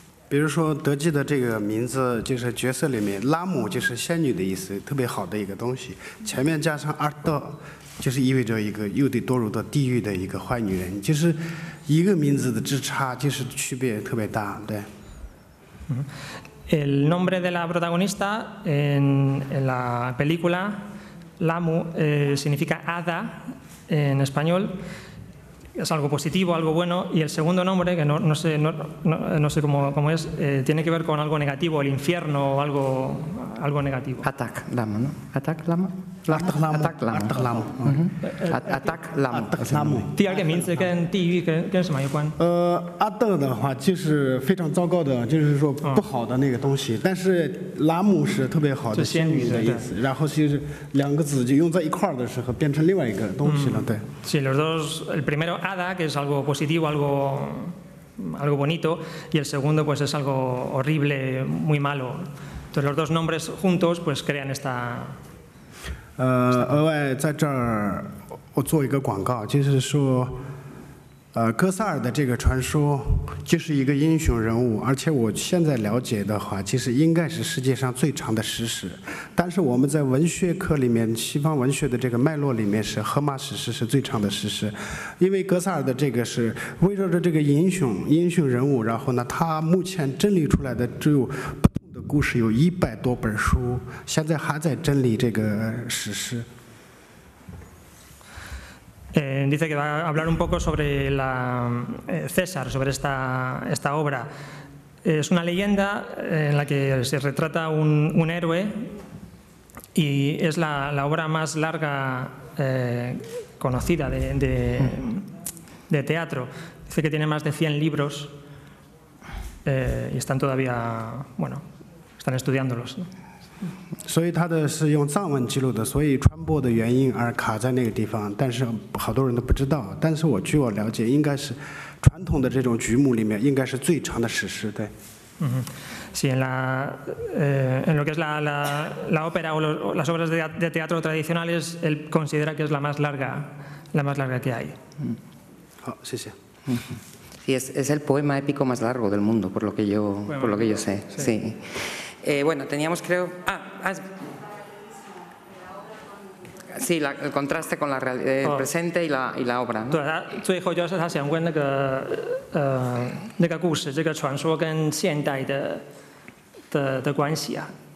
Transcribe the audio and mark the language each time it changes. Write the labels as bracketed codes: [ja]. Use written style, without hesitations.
[zh] 比如说德基的这个名字就是角色里面拉姆就是仙女的意思，特别好的一个东西，前面加上阿德就是意味着一个又得堕入到地狱的一个坏女人，就是一个名字的之差就是区别特别大，对。 [es] El nombre de la protagonista en la película, Lamu, significa hada en español. Es algo positivo, algo bueno. Y el segundo nombre, que no sé cómo es, tiene que ver con algo negativo, el infierno o algo negativo. Atak Lamu, ¿no? Atak Lamu. Atak Lamu. Atak Lamu. Atak Lamu. Atak Lamu. Atak Lamu. ¿Tiene algún nombre que en ti y que en su mayor cuan? [zh] Atak 的话就是非常糟糕的，就是说不好的那个东西。但是 Lamu 是特别好的仙女的意思。然后就是两个字就用在一块儿的时候变成另外一个东西了，对。 [es] Sí, los dos, el primero hada, que es algo positivo, algo bonito, y el segundo pues es algo horrible, muy malo. Entonces los dos nombres juntos pues crean esta... [zh] 额外在这儿我做一个广告，就是说哥萨尔的这个传说就是一个英雄人物，而且我现在了解的话其实应该是世界上最长的史诗，但是我们在文学课里面西方文学的这个脉络里面是荷马史诗是最长的史诗，因为哥萨尔的这个是围绕着这个英雄人物，然后呢他目前整理出来的只有不同的故事有100多本书，现在还在整理这个史诗。 [es] Dice que va a hablar un poco sobre la César, sobre esta obra. Es una leyenda en la que se retrata un héroe y es la obra más larga conocida de teatro. Dice que tiene más de 100 libros y están todavía, bueno, están estudiándolos, ¿no? [zh] 所以他的是用藏文记录的，所以传播的原因而卡在那个地方，但是好多人都不知道，但是我据我了解应该是传统的这种剧目里面应该是最长的史诗，对。 [es] Sí, en lo que es la ópera o las obras de teatro tradicionales, él considera que es la más larga que hay. [zh] 好，谢谢。 [es] Sí, es el poema épico más largo del mundo, por lo que yo sé. Sí. Bueno, teníamos creo... Sí, el contraste con la realidad, el presente y la obra, ¿no? [zh] 对，他最后就是他想问那个故事，这个传说跟现代的关系啊。